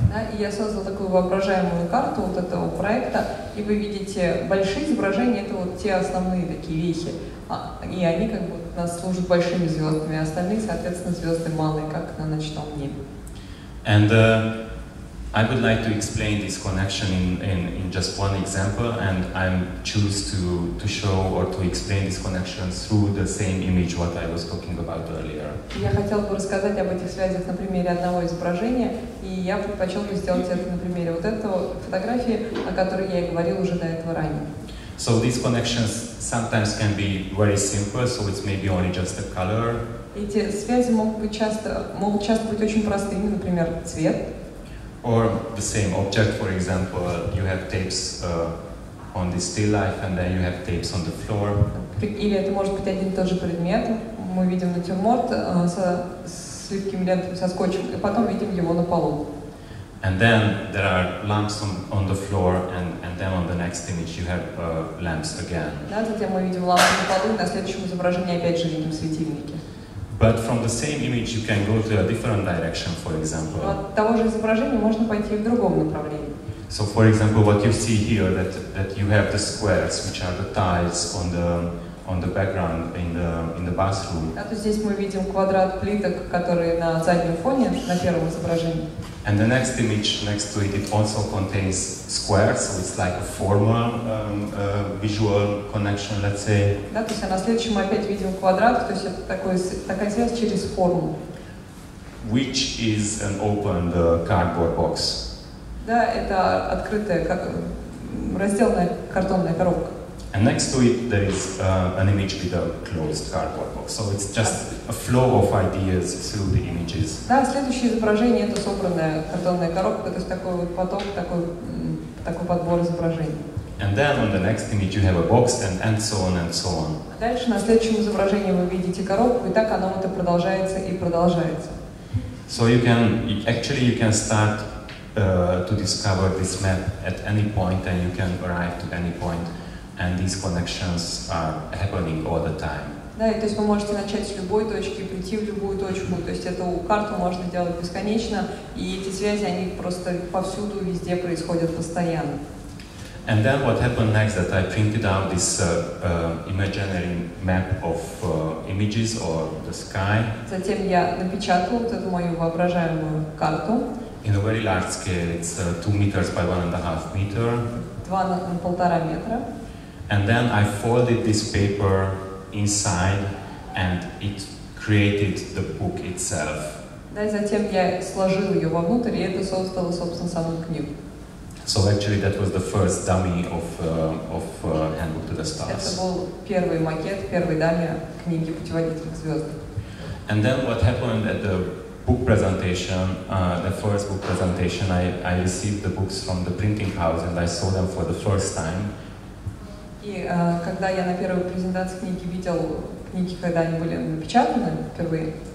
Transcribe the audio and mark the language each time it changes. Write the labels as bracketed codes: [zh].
[ru] Да, и я создал такую воображаемую карту вот этого проекта, и вы видите большие изображения, это вот те основные такие вехи, и они как бы нас служат большими звездами, а остальные, соответственно, звезды малые, как на ночном небе. [en] And I would like to explain this connection in just one example, and I'm choose to show or to explain this connection through the same image what I was talking about earlier. [ru] Я хотел бы рассказать об этих связях на примере одного изображения, и я предпочел бы сделать это на примере вот этого фотографии, о которой я и говорил уже до этого ранее. [en] So these connections sometimes can be very simple, so it's maybe only just the color. [ru] Эти связи могут часто быть очень простыми, например, цвет. [en] Or the same object, for example, you have tapes on the still life, and then you have tapes on the floor. [ru] Или это может быть один и тот же предмет. Мы видим натюрморт со слепкими лентами, со скотчем, и потом видим его на полу. [en] And then there are lamps on the floor, and then on the next image you have lamps again. [ru] Да, затем мы видим лампы на полу, и на следующем изображении опять же видим светильники. [en] But from the same image, you can go to a different direction, for example. [ru] От того же изображения можно пойти в другом направлении. [en] So, for example, what you see here, that you have the squares, which are the tiles on the background in the bathroom. [ru] А то здесь мы видим квадрат плиток, которые на заднем фоне на первом изображении. [en] And the next image next to it also contains squares, so it's like a formal visual connection, let's say. [ru] Да, то есть на следующем мы опять видим квадрат, то есть это такая связь через форму. [en] Which is an open cardboard box. [ru] Да, это открытая, как разделанная картонная коробка. [en] And next to it there is an image with a closed cardboard box. So it's just a flow of ideas through the images. [ru] Да, следующее изображение это собранная картонная коробка, то есть такой вот поток, такой подбор изображений. [en] And then on the next image you have a box and so on and so on. [ru] Дальше на следующем изображении вы видите коробку, и так оно это продолжается и продолжается. [en] So you can start to discover this map at any point, and you can arrive to any point. And these connections are happening all the time. [ru] Да, то есть вы можете начать с любой точки, прийти в любую точку. То есть эту карту можно делать бесконечно, и эти связи они просто повсюду, везде происходят постоянно. [en] And then what happened next? That I printed out this imaginary map of images or the sky. [ru] Затем я напечатал вот эту мою воображаемую карту. [en] In a very large scale, it's 2 meters by 1.5 meters. [ru] 2 на 1.5 метра. [en] And then I folded this paper inside, and it created the book itself. [ru] Да, и затем я сложил ее вовнутрь, и это создало, собственно, саму книгу. [en] So actually, that was the first dummy of Handbook to the Stars. [ru] Это был первый макет, первый дамми книги «Путеводитель к звездам». [en] And then what happened at the book presentation, the first book presentation, I received the books from the printing house, and I saw them for the first time. [ru] И когда я на первой презентации книги видел книги, когда они были напечатаны впервые.